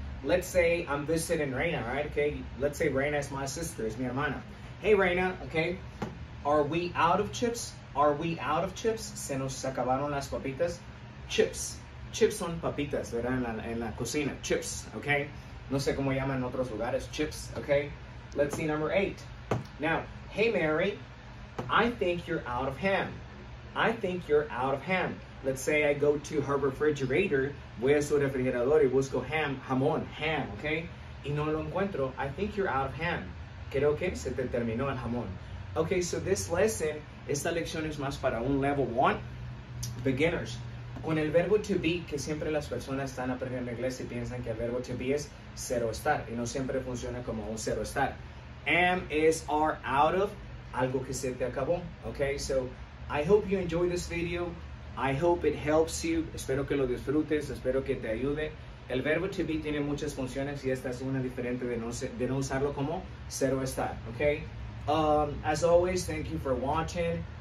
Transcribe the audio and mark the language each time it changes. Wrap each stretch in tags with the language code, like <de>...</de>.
<en>Let's say I'm visiting Reina, right? Okay, let's say Reina is my sister, is</en> <es>mi hermana.</es> <en>Hey, Reina, okay, are we out of chips? Are we out of chips?</en> <es>Se nos acabaron las papitas. Chips. Chips son papitas, ¿verdad? En la cocina. Chips, okay? No sé cómo llaman en otros lugares.</es> <en>Chips, okay? Let's see number eight. Now, hey, Mary, I think you're out of ham. I think you're out of ham. Let's say I go to her refrigerator,</en> <es>voy a su refrigerador y busco</es> <en>ham, jamón, ham, okay?</en> <es>Y no lo encuentro.</es> <en>I think you're out of ham.</en> <es>Creo que se te terminó el jamón.</es> <en>Okay, so this lesson,</en> <es>esta lección es más para un</es> <en>level one, beginners.</en> <es>Con el verbo to be, que siempre las personas están aprendiendo inglés y piensan que el verbo to be es ser o estar, y no siempre funciona como un ser o estar. Am, is, are, out of, algo que se te acabó, okay?</es> <en>So, I hope you enjoy this video. I hope it helps you.</en> <es>Espero que lo disfrutes. Espero que te ayude. El verbo to be tiene muchas funciones y esta es una diferente de no usarlo como ser o estar, okay?</es> <en>As always, thank you for watching.</en>